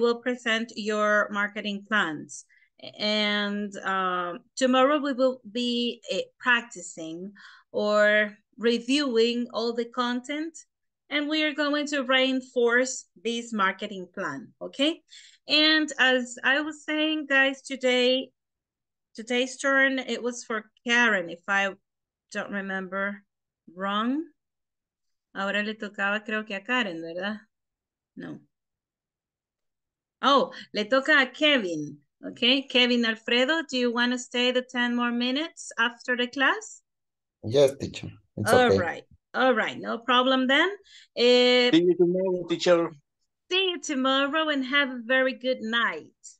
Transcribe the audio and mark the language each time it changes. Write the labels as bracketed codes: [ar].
[en] You will present your marketing plans. And tomorrow we will be practicing or reviewing all the content, and we are going to reinforce this marketing plan, okay? And as I was saying, guys, today's turn, it was for Karen, if I don't remember wrong. [es] Ahora le tocaba, creo que a Karen, ¿verdad? No. Oh, le toca a Kevin. [en] Okay, Kevin Alfredo, do you want to stay the 10 more minutes after the class? Yes, teacher. It's all okay. Right. All right. No problem then. See you tomorrow, teacher. See you tomorrow and have a very good night.